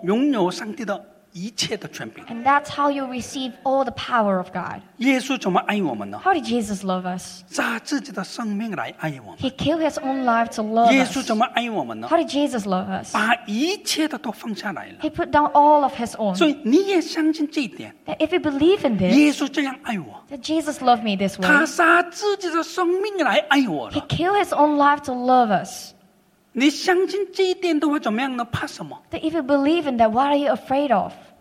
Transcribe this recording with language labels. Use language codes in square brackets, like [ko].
[zh] 结果呢，你能够拥有上帝的一切的权柄。 [en] And that's how you receive all the power of God. [zh] 耶稣怎么爱我们呢？ [en] How did Jesus love us? [zh] 拿自己的生命来爱我们。 [en] He gave His own life to love us. [zh] 耶稣怎么爱我们呢？ [en] How did Jesus love us? [zh] 把一切的都放下来了。 [en] He put down all of His own. [zh] 所以你也相信这一点。 [en] That if you believe in this, [zh] 耶稣这样爱我。 [en] That Jesus loved me this way. [zh] 他拿自己的生命来爱我了。 [en] He gave His own life to love us. [zh] 你相信这一点的话怎么样呢？怕什么？ [en] That if you believe in that, what are you afraid of?